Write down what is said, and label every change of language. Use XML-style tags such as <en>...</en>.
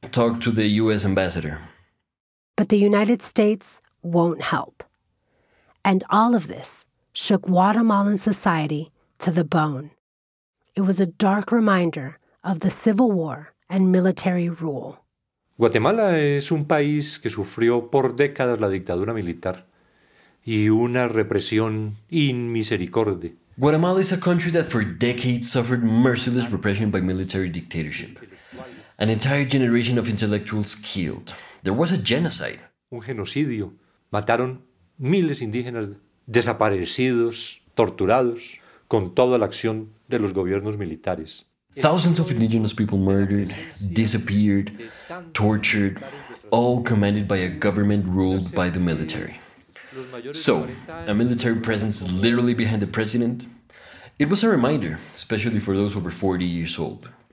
<en>Talk to the U.S. ambassador. But the United States won't help. And all of this shook Guatemalan society to the bone. It was a dark reminder of the civil war and military rule.</en> <es>Guatemala es un país que sufrió por décadas la dictadura militar y una represión inmisericorde.</es> <en>Guatemala is a country that for decades suffered merciless repression by military dictatorship. An entire generation of intellectuals killed. There was a genocide.</en> <es>Un genocidio. Mataron miles de indígenas desaparecidos, torturados, con toda la acción de los gobiernos militares.</es> <en>Thousands of indigenous people murdered, disappeared, tortured, all commanded by a government ruled by the military. So, a military presence literally behind the president? It was a reminder, especially for those over 40 years old.</en>